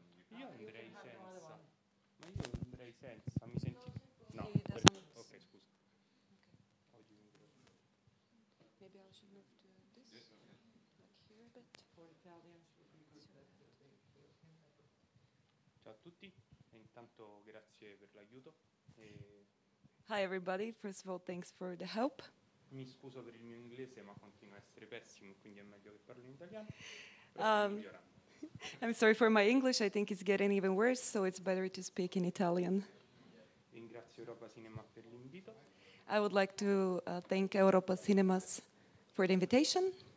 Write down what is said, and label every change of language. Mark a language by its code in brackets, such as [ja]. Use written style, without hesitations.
[en] Maybe I should move to this. Here a bit. For Italians, would be good that they hear him. [it] Ciao a tutti, e intanto grazie per l'aiuto. [en] Hi everybody, first of all, thanks for the help. [it] Mi scuso per il mio inglese, ma continua a essere pessimo, quindi è meglio che parli in italiano. [en] I'm sorry for my English. I think it's getting even worse, so it's better to speak in Italian. [it] Ringrazio Europa Cinema per l'invito. [en] I would like to thank Europa Cinemas for the invitation.